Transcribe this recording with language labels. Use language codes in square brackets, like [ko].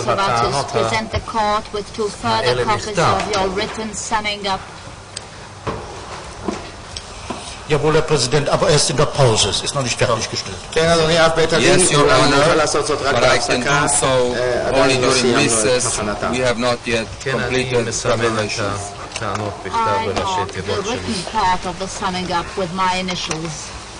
[en] Savatius, present the court with two further copies of your written summing up? [de] Jawohl, Herr Präsident, aber erst in der Pause. Es ist noch nicht fertiggestellt. [en] Yes, Your Honor, but I can do so only during recess. We have not yet completed preparations. I have the written part of the summing up with my initials.